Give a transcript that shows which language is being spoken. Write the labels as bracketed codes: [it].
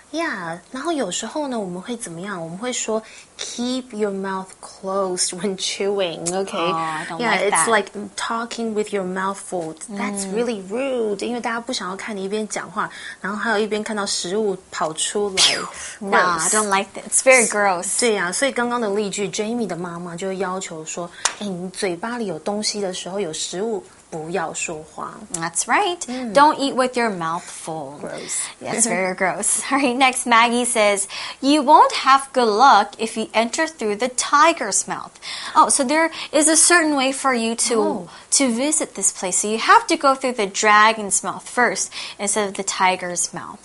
[zh] Yeah, 然后有时候呢，我们会怎么样？我们会说 keep your mouth closed when chewing. OK. [en] Oh, I don't like Yeah, it's like talking with your mouth full. [zh] That's really rude, 因为大家不想要看你一边讲话，然后还有一边看到食物跑出来。 [en] Nah, I don't like that. It's very gross. [zh] 对啊，所以刚刚的例句 ，Jamie 的妈妈就要求说，哎，你嘴巴里有东西的时候，有食物不要说话。 [en] That's right. Don't eat with your mouth full. Gross. Yes, very gross. All right, next, Maggie says, you won't have good luck if you enter through the tiger's mouth. Oh, so there is a certain way for you to visit this place. So you have to go through the dragon's mouth first instead of the tiger's mouth.